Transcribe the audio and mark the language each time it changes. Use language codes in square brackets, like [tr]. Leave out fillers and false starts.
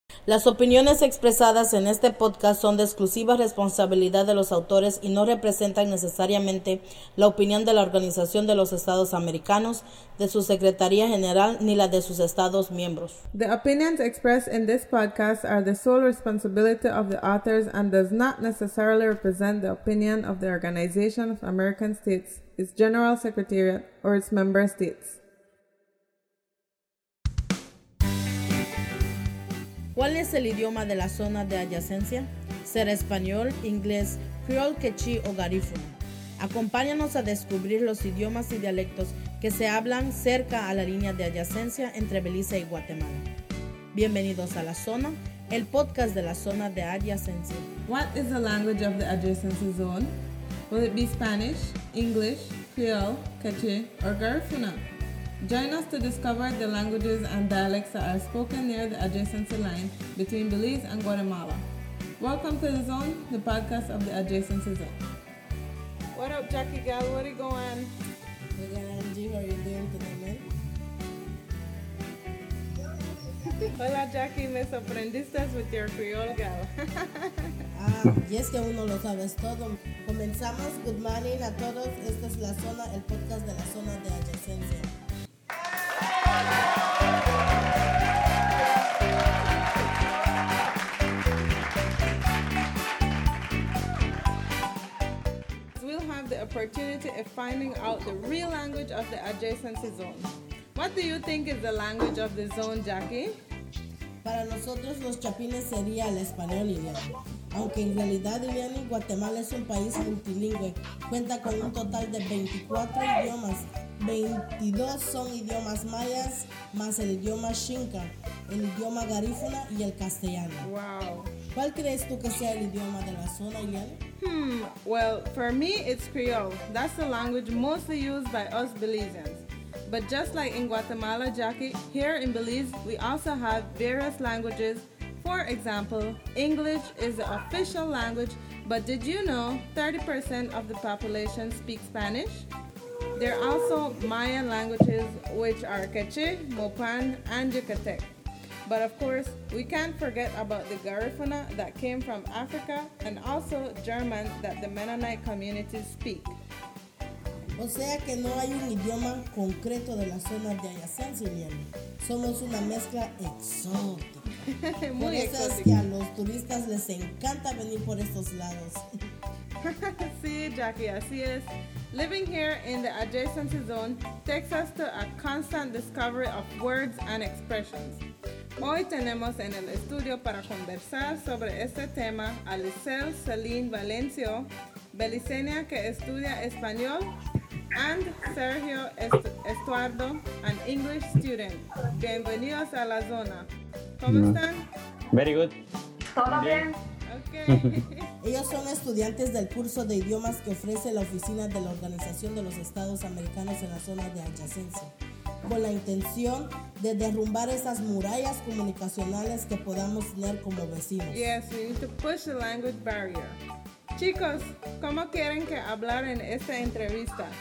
[es] Las opiniones expresadas en este podcast son de exclusiva responsabilidad de los autores y no representan necesariamente la opinión de la Organización de los Estados Americanos, de su Secretaría General, ni la de sus Estados miembros. [en] The opinions expressed in this podcast are the sole responsibility of the authors and does not necessarily represent the opinion of the Organization of American States, its General Secretariat, or its member states. [es] ¿Cuál es el idioma de la zona de adyacencia? ¿Será español, inglés, creole, quechí o garífuna? Acompáñanos a descubrir los idiomas y dialectos que se hablan cerca a la línea de adyacencia entre Belice y Guatemala. Bienvenidos a La Zona, el podcast de la zona de adyacencia. [en] What is the language of the adjacent zone? Will it be Spanish, English, creole, quechí o garífuna? Join us to discover the languages and dialects that are spoken near the adjacency line between Belize and Guatemala. Welcome to The Zone, the podcast of the adjacency zone. What up, Jackie Gal? What are you going? We're going, Angie. How are you doing today, man? [es] Hola, Jackie. Me sorprendiste [en] with your Creole Gal. Yes, [es] que uno lo sabes todo. Comenzamos. [en] Good morning [es] a todos. Esta es La Zona, el podcast de la zona de adyacencia. [en] We'll have the opportunity of finding out the real language of the adjacency zone. What do you think is the language of the zone, Jackie? [es] Para nosotros los chapines sería el español, Iliani. Aunque en realidad, Iliani, Guatemala es un país multilingüe. Cuenta con un total de 24 idiomas. 22 son idiomas mayas, más el idioma xinca, el idioma garífuna y el castellano. [en] Wow. [es] ¿Cuál crees tú que sea el idioma de la zona, Ian? [en] Well, for me, it's Creole. That's the language mostly used by us Belizeans. But just like in Guatemala, Jackie, here in Belize, we also have various languages. For example, English is the official language, but did you know 30% of the population speaks Spanish? There are also Mayan languages, which are Quechua, Mopan, and Yucatec. But of course, we can't forget about the Garifuna that came from Africa, and also German that the Mennonite communities speak. [es] O sea que no hay un idioma concreto de la zona de adyacencia. Somos una mezcla exótica. Muy exótica. Por eso es que a los turistas les encanta venir por estos lados. Sí, Jackie, así es. [en] Living here in the adjacency zone takes us to a constant discovery of words and expressions. [es] Hoy tenemos en el estudio para conversar sobre este tema a Lisel Celine Valencio, beliceña que estudia español, [en] and Sergio Estuardo, an English student. [es] Bienvenidos a la zona. ¿Cómo están? [en] Very good. [es] ¿Todo bien? [en] Okay. [es] Ellos son estudiantes del curso de idiomas que ofrece la Oficina de la Organización de los Estados Americanos en la zona de adyacencia, con la intención de derrumbar esas murallas comunicacionales que podamos tener como vecinos. [en] Yes, we need to push the language barrier. [es] Chicos, ¿cómo quieren que hablar en esta entrevista?